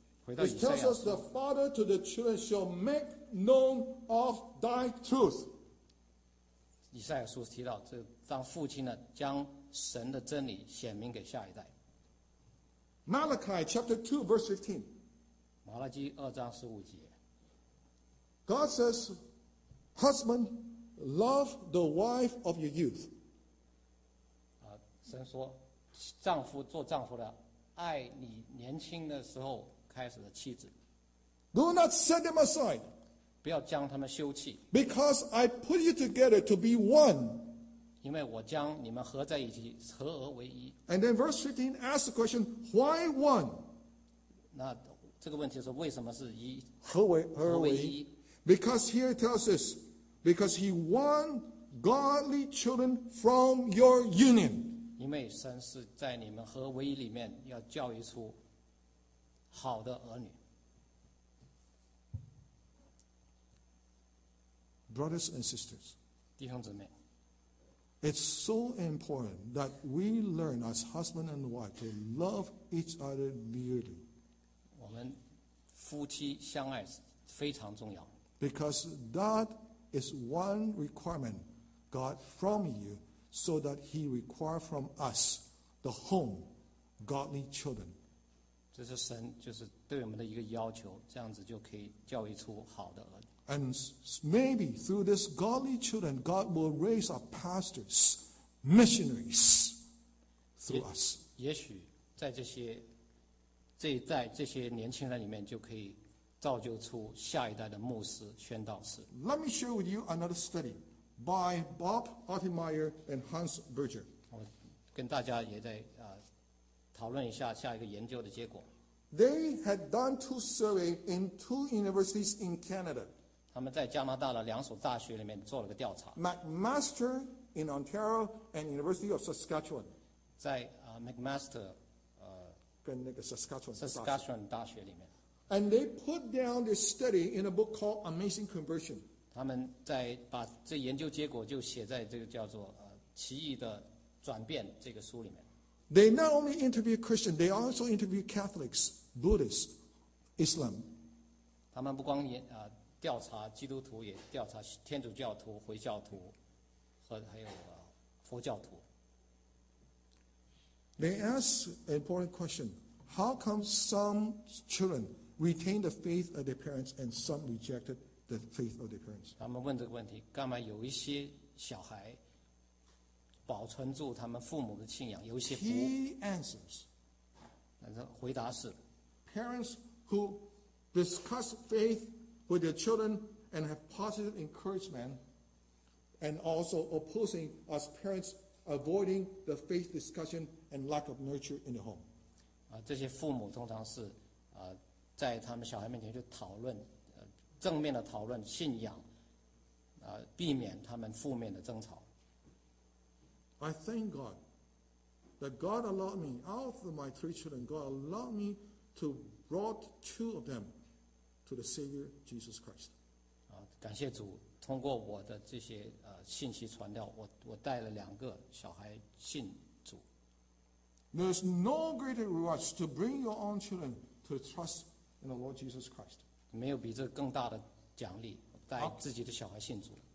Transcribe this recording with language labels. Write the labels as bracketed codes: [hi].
[en] It tells us the father to the children shall make known of thy truth. [zh] 以赛亚书提到，这当父亲呢，将神的真理显明给下一代。 [en] Malachi chapter 2 verse 15. [zh] 马拉基二章十五节。 [en] God says, "Husband, love the wife of your youth." [zh] 神说，丈夫做丈夫的，爱你年轻的时候。开始的妻子。 [en] Do not set them aside. [zh] 不要将他们休弃。 [en] Because I put you together to be one. [zh] 因为我将你们合在一起，合而为一。 [en] And then verse 15 asks the question, why one? [zh] 那这个问题是为什么是一？合为一。 [en] Because here it tells us, because he won godly children from your union. [zh] 因为神是在你们合为一里面要教育出。好的儿女。 [en] Brothers and sisters, [zh] 弟兄姊妹， [en] it's so important that we learn as husband and wife to love each other dearly. [zh] 我们夫妻相爱非常重要。 [en] Because that is one requirement God from you so that he requires from us the home, godly children. [zh] 这是神就是对我们的一个要求，这样子就可以教育出好的儿女。 [en] And maybe through this godly children, God will raise up pastors, missionaries through us. [zh] 也许在这一代这些年轻人里面，就可以造就出下一代的牧师、宣道士。 [en] Let me share with you another study by Bob Altemeyer and Hans Berger. [zh] 我跟大家也在讨论一下下一个研究的结果。 [en] They had done two surveys in two universities in Canada. [zh] 他们在加拿大的两所大学里面做了个调查。 [en] McMaster in Ontario and University of Saskatchewan。 [zh] 在McMaster，跟那个 Saskatchewan 大学里面。 [en] And they put down this study in a book called Amazing Conversion。 [zh] 他们在把这研究结果就写在这个叫做奇异的转变这个书里面。 [en] They not only interview Christians, they also interview Catholics, Buddhists, Islam. [zh] 他们不光调查基督徒，也调查天主教徒、回教徒和还有佛教徒。 [en] They ask an important question: How come some children retain the faith of their parents and some rejected the faith of their parents? [zh] 他们问这个问题：干嘛有一些小孩保存住他们父母的信仰，有一些不？ [en] He answers. [zh] 回答是 [en] ：Parents who discuss faith with their children and have positive encouragement, and also opposing us parents avoiding the faith discussion and lack of nurture in the home. [zh] 这些父母通常是在他们小孩面前去讨论，正面的讨论信仰，避免他们负面的争吵。 [en] I thank God that God allowed me, out of my three children, God allowed me to brought two of them to the Savior Jesus Christ. [zh] 感谢主，通过我的这些信息传道，我带了两个小孩信主。 [en] There's no greater reward to bring your own children to trust in the Lord Jesus Christ. [zh] 没有比这更大的奖励，带自己的小孩信主。